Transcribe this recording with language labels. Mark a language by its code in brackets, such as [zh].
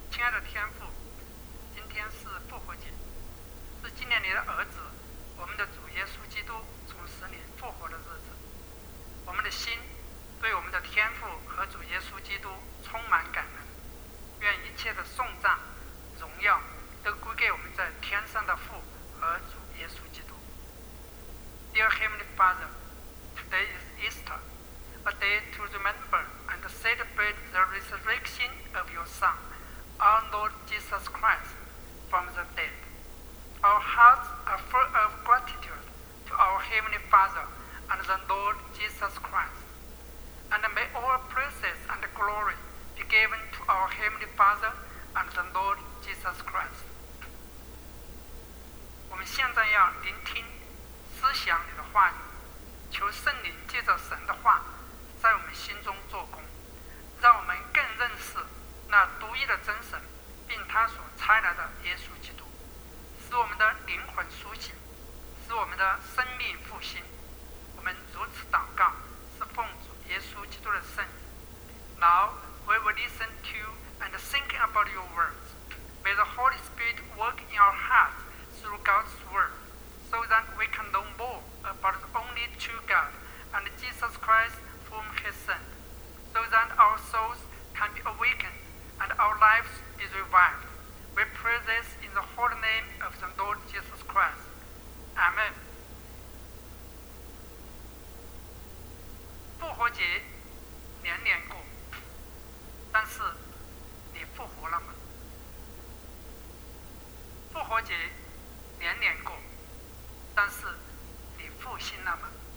[zh] 的天父，今天是复活节，是纪念你的儿子，我们的主耶稣基督从死里复活的日子。我们的心对我们的天父和主耶稣基督充满感恩，愿一切的颂赞荣耀都归给我们在天上的父和主耶稣基督。 [en] Dear Heavenly Father, today is Easter, a day to remember and celebrate the resurrection of your Son, our Lord Jesus Christ, from the dead. Our hearts are full of gratitude to our Heavenly Father and the Lord Jesus Christ. And may all praises and glory be given to our Heavenly Father and the Lord Jesus Christ. [zh] 我们现在要聆听思想你的话语，求圣灵借着神的话在我们心中做工，让我们更认识那独一的真神并他所差来的耶稣基督，使我们的灵魂苏醒，使我们的生命复兴。我们如此祷告是奉主耶稣基督的圣名。 [en] Now we will listen to you and think about your words. May the Holy Spirit work in our heartsThrough God's word, so that we can know more about the only true God and Jesus Christ, whom He sent, so that our souls can be awakened and our lives be revived. We pray this in the holy name of the Lord Jesus Christ. Amen. [zh] 复活节年年过，但是你复活了吗？复活节。年年过，但是你复兴了吗？